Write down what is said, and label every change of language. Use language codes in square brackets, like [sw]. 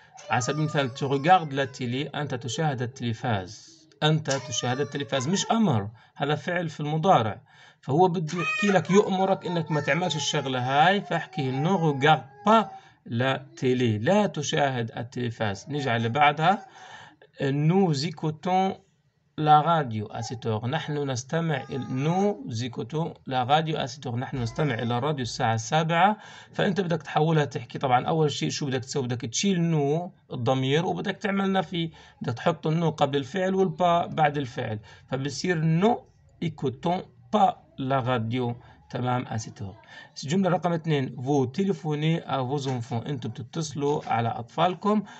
[ar] على سبيل المثال [fr] tu regardes la télé، [ar] أنت تشاهد التلفاز، أنت تشاهد التلفاز، مش أمر، هذا فعل في المضارع، فهو بده يحكي لك يؤمرك إنك ما تعملش الشغلة هاي، فأحكي [fr] ne regarde pas la télé، [ar] لا تشاهد التلفاز. نجي على بعدها [fr] nous écoutons la radio à cette heure، نحن نستمع nous écoutons la radio à cette heure، [ar] نحن نستمع إلى الراديو الساعة 7. فأنت بدك تحولها تحكي، طبعا أول شيء شو بدك تسوي، بدك تشيل نو الضمير وبدك تعمل نفي، بدك تحط النو قبل الفعل والبا بعد الفعل، فبصير [fr] nous écoutons pas la radio، [ar] تمام؟ جملة رقم 2 [fr] vous téléphonez à vos enfants، [ar] انتم بتتصلوا على اطفالكم.